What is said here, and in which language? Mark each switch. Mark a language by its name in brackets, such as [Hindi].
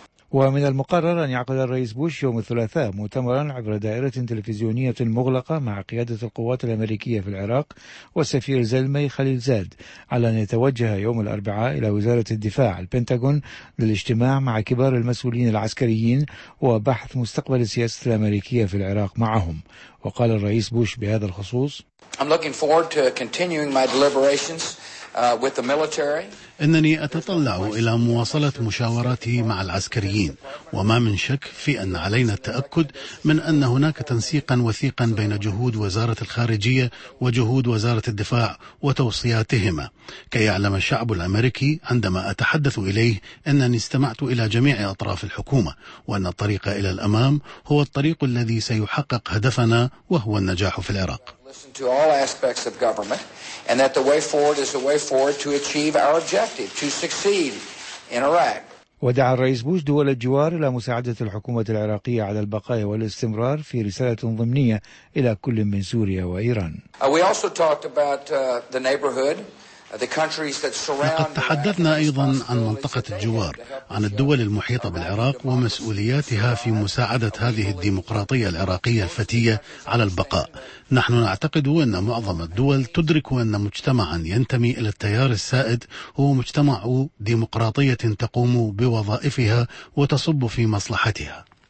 [Arabic] ومن المقرر أن يعقد الرئيس بوش يوم الثلاثاء مؤتمرا عبر دائرة تلفزيونية مغلقة مع قيادة القوات الأمريكية في العراق والسفير زلمي خليل زاد، على أن يتوجه يوم الأربعاء إلى وزارة الدفاع البنتاغون للاجتماع مع كبار المسؤولين العسكريين وبحث مستقبل السياسة الأمريكية في العراق معهم. وقال الرئيس بوش بهذا الخصوص: [English] I'm looking forward to continuing my deliberations with the military. [Arabic] إنني أتطلع إلى مواصلة مشاوراتي مع العسكريين، وما من شك في أن علينا التأكد من أن هناك تنسيقا وثيقا بين جهود وزارة الخارجية وجهود وزارة الدفاع وتوصياتهما، كي يعلم الشعب الأمريكي عندما أتحدث إليه أنني استمعت إلى جميع أطراف الحكومة، وأن الطريق إلى الأمام هو الطريق الذي سيحقق هدفنا وهو النجاح في العراق. [English] Listen to all aspects of government, and that the way forward is a way forward to achieve our objective, to succeed in Iraq. [Arabic] ودعا الرئيس بوش دول الجوار إلى مساعدة الحكومة العراقية على البقاء والاستمرار في رسالة ضمنية إلى كل من سوريا وإيران. [English] We also talked about the neighborhood. [Arabic] لقد تحدثنا أيضا عن منطقة الجوار، عن الدول المحيطة بالعراق ومسؤولياتها في مساعدة هذه الديمقراطية العراقية الفتية على البقاء. نحن نعتقد أن معظم الدول تدرك أن مجتمعا ينتمي إلى التيار السائد هو مجتمع ديمقراطية تقوم بوظائفها وتصب في مصلحتها.